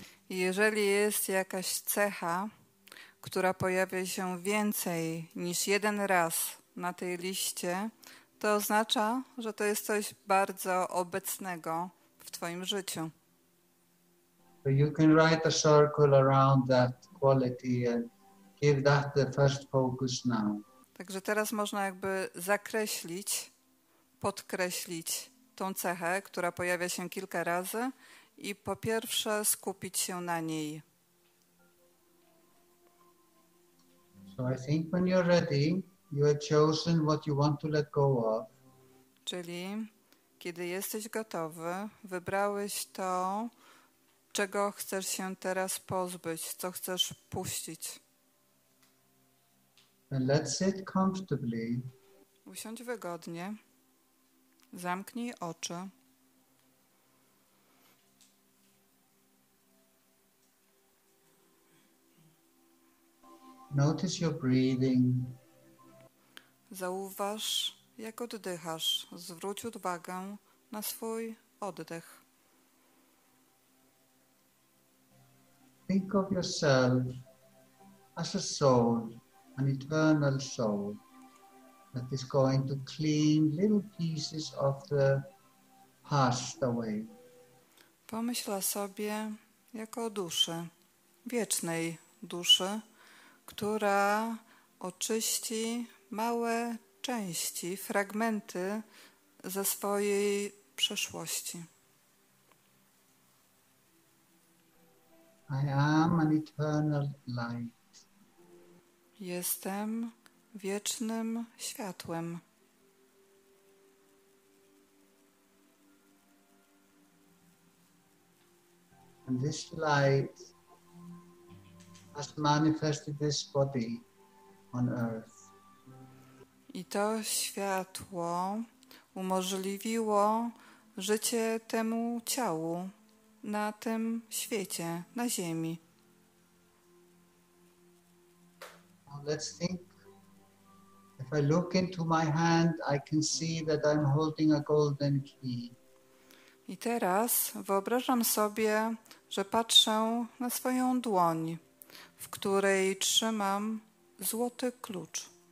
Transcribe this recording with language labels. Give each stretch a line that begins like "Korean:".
Polish: Jeżeli jest jakaś cecha, która pojawia się więcej niż jeden raz na tej liście, to oznacza, że to jest coś bardzo obecnego w twoim życiu.
English: You can write a circle around that quality and give that the first focus now.
Polish: Także teraz można jakby zakreślić, podkreślić tą cechę, która pojawia się kilka razy i po pierwsze skupić się na niej.
English: So I think when you're ready, you have chosen what you want to let go of.
Polish: Czyli kiedy jesteś gotowy, wybrałeś to, czego chcesz się teraz pozbyć, co chcesz puścić.
English: And let's sit comfortably.
Polish: Usiądź wygodnie. Zamknij oczy.
English: Notice your breathing.
Polish: Zauważ, jak oddychasz. Zwróć uwagę na swój oddech.
English: Think of yourself as a soul, an eternal soul, that is going to clean little pieces of the past away.
Polish: Pomyśl sobie jako o duszy, wiecznej duszy, która oczyści małe części, fragmenty ze swojej przeszłości.
English: I am an eternal light.
Polish: Jestem wiecznym światłem.
English: And this light has manifested this body on earth.
Polish: I to światło umożliwiło życie temu ciału na tym świecie, na ziemi.
English: Let's think. If I look into my hand, I can see that I'm holding a golden key.
Polish: I teraz wyobrażam sobie, że patrzę na swoją dłoń, w której trzymam złoty klucz.